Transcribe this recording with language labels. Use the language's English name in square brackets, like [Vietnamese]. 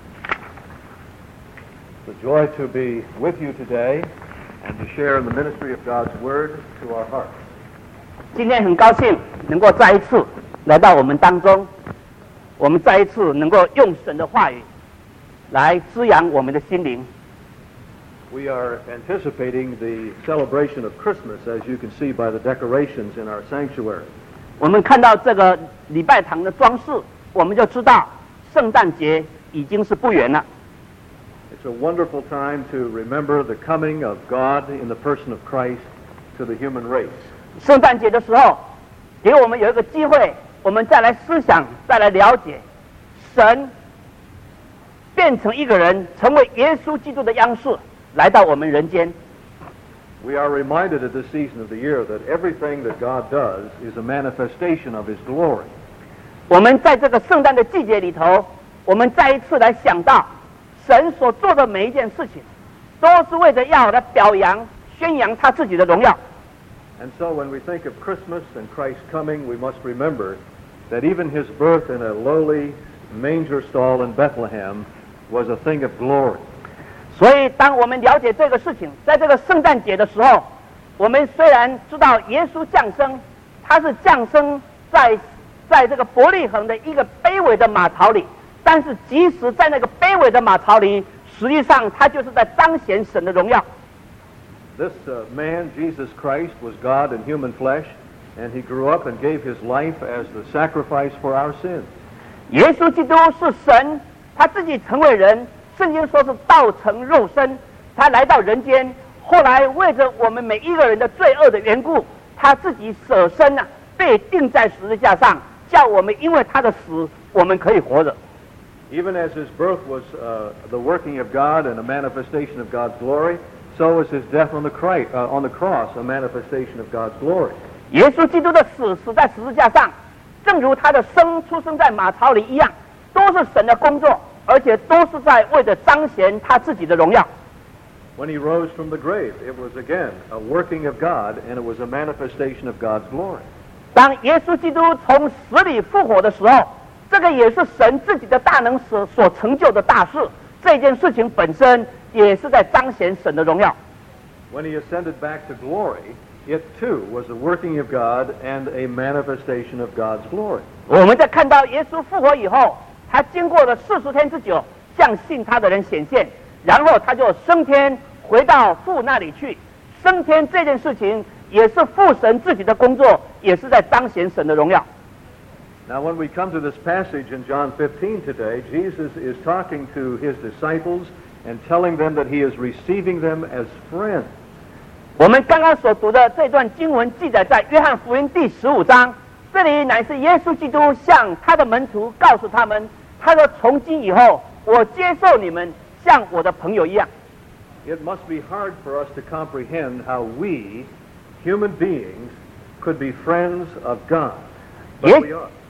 [English] It's a joy to be with you today and to share in the ministry of God's word to our hearts. [Chinese] 今天很高兴能够再一次来到我们当中我们再一次能够用神的话语来滋养我们的心灵 [English] We are anticipating the celebration of Christmas as you can see by the decorations in our sanctuary. [Chinese] 我们看到这个礼拜堂的装饰我们就知道圣诞节已经是不远了 [English] It's a wonderful time to remember the coming of God in the person of Christ to the human race. [Chinese] 圣诞节的时候，给我们有一个机会，我们再来思想，再来了解，神变成一个人，成为耶稣基督的样式，来到我们人间。 [English] We are reminded at this season of the year that everything that God does is a manifestation of His glory. [Chinese] 我们在这个圣诞的季节里头，我们再一次来想到。神所做的每一件事情都是为着要来表扬宣扬他自己的荣耀 [English] And so when we think of Christmas and Christ's coming we must remember that even his birth in a lowly manger stall in Bethlehem was a thing of glory [Chinese] 所以当我们了解这个事情在这个圣诞节的时候我们虽然知道耶稣降生他是降生在这个伯利恒的一个卑微的马槽里但是即使在那个卑微的马槽里实际上他就是在彰显神的荣耀 [English] This man Jesus Christ was God in human flesh and he grew up and gave his life as the sacrifice for our sins [Chinese] 耶稣基督是神他自己成为人圣经说是道成肉身他来到人间后来为着我们每一个人的罪恶的缘故他自己舍身啊被钉在十字架上叫我们因为他的死我们可以活着 [English] Even as his birth was the working of God and a manifestation of God's glory, so was his death on the cross a manifestation of God's glory. [Chinese] 耶稣基督的死死在十字架上，正如他的生出生在马槽里一样，都是神的工作，而且都是在为着彰显他自己的荣耀。 [English] When he rose from the grave, it was again a working of God and it was a manifestation of God's glory. [Chinese] 当耶稣基督从死里复活的时候这个也是神自己的大能所成就的大事这件事情本身也是在彰显神的荣耀 [English] When he ascended back to glory it too was the working of God and a manifestation of God's glory. [Chinese] 我们在看到耶稣复活以后，他经过了四十天之久，向信他的人显现，然后他就升天回到父那里去。升天这件事情也是父神自己的工作，也是在彰显神的荣耀。 [English] Now when we come to this passage in John 15 today, Jesus is talking to his disciples and telling them that he is receiving them as friends. [Chinese] 我们刚刚所读的这段经文记载在约翰福音第十五章，这里乃是耶稣基督向他的门徒告诉他们，他说从今以后我接受你们像我的朋友一样。 [English] It must be hard for us to comprehend how we, human beings, could be friends of God, but we are.